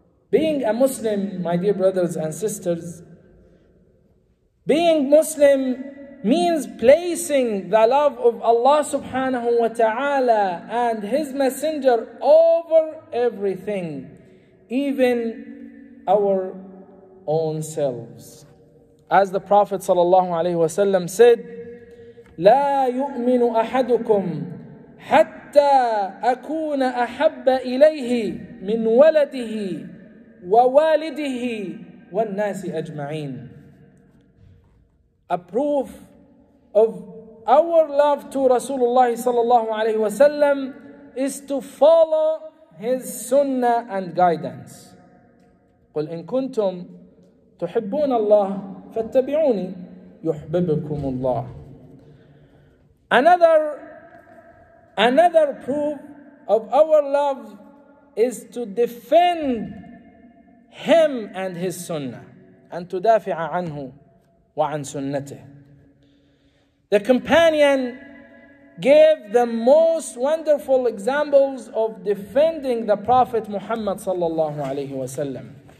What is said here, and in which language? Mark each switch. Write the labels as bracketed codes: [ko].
[en] Being a Muslim, my dear brothers and sisters, being Muslim means placing the love of Allah subhanahu wa ta'ala and His Messenger over everything, even our own selves. As the Prophet sallallahu alayhi wa sallam said, [ar] لا يؤمن أحدكم حتى أكون أحب إليه من ولده ووالده والناس أجمعين. [en] A proof of our love to Rasulullah sallallahu alayhi wa sallam is to follow his sunnah and guidance. [ar] قل إن كنتم تحبون الله فاتبعوني يحببكم الله. [en] Another proof of our love is to defend him and his sunnah, and to [ar] دافع عنه وعن سنته. [en] The companion gave the most wonderful examples of defending the Prophet Muhammad sallallahu alayhi wa sallam.